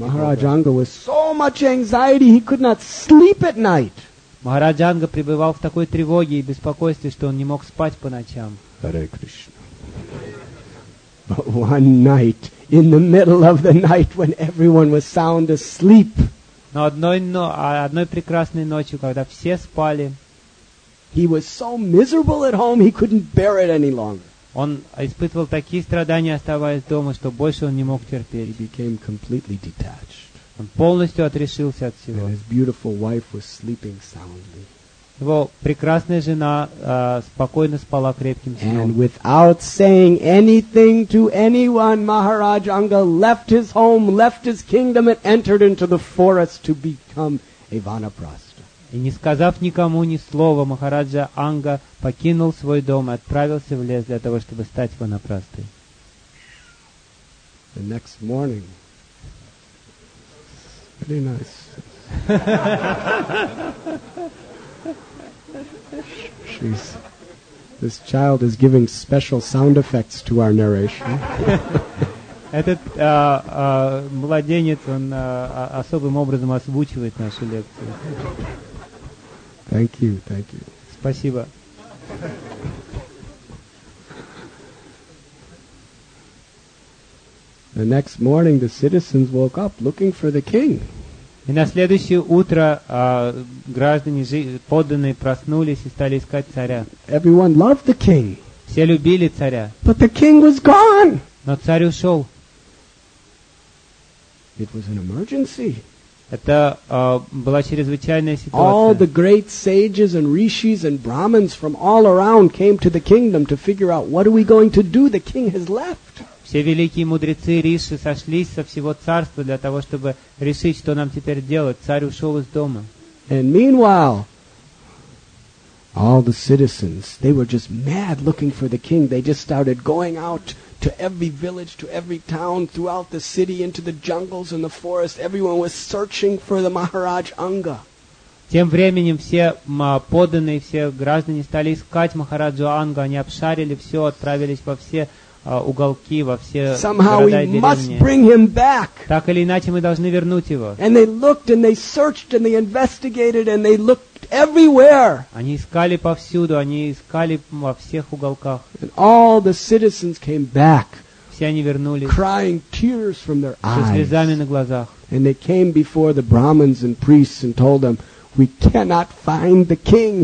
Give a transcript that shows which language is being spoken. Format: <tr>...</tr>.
<en>Махараджанга was so much anxiety, he could not sleep at night.</en> <ru>Махараджанга пребывал в такой тревоге и беспокойстве, что он не мог спать по ночам.</ru> <en>Hare Krishna. But one night, in the middle of the night, when everyone was sound asleep,</en> <ru>но одной прекрасной ночью, когда все спали,</ru> <en>he was so miserable at home, he couldn't bear it any longer.</en> <ru>Он испытывал такие страдания, оставаясь дома, что больше он не мог терпеть.</ru> <en>He became completely detached.</en> <ru>Он полностью отрешился от всего.</ru> <en>And his beautiful wife was sleeping soundly.</en> <ru>Его прекрасная жена спокойно спала крепким сном.</ru> <en>And without saying anything to anyone, Maharaj Anga left his home, left his kingdom, and entered into the forest to become a vanaprastha.</en> <ru>И не сказав никому ни слова, Махараджа Анга покинул свой дом и отправился в лес для того, чтобы стать ванапрастой.</ru> <en>The next morning. Very nice. This child is giving special sound effects to our narration.</en> <ru>Этот младенец, он особым образом озвучивает нашу лекцию.</ru> <en>Thank you, thank you.</en> <ru>Спасибо.</ru> <en>The next morning, the citizens woke up looking for the king.</en> <ru>И на следующее утро граждане, подданные, проснулись и стали искать царя.</ru> <en>Everyone loved the king.</en> <ru>Все любили царя.</ru> <en>But the king was gone.</en> <ru>Но царь ушел.</ru> <en>It was an emergency.</en> <ru>Это была чрезвычайная ситуация.</ru> <en>All the great sages and rishis and brahmins from all around came to the kingdom to figure out what are we going to do. The king has left.</en> <ru>Все великие мудрецы и риши сошлись со всего царства для того, чтобы решить, что нам теперь делать. Царь ушел из дома.</ru> <en>And meanwhile, all the citizens, they were just mad looking for the king. They just started going out to every village, to every town, throughout the city, into the jungles and the forest. Everyone was searching for the Maharaj Anga.</en> <ru>Тем временем все подданные, все граждане стали искать Махараджу Анга. Они обшарили все, отправились во все уголки, во все</ru> <en>Somehow</en> <ru>города и деревни.</ru> <en>We must bring him back.</en> <ru>Так или иначе, мы должны вернуть его.</ru> <en>And they looked, and they searched, and they investigated, and they looked everywhere.</en> <ru>Они искали повсюду, они искали во всех уголках.</ru> <en>And all the citizens came back.</en> <ru>Все они вернулись.</ru> <en>Crying tears from their eyes.</en> <ru>Со слезами на глазах.</ru> <en>And they came before the Brahmins and priests and told them, We cannot find the king.</en>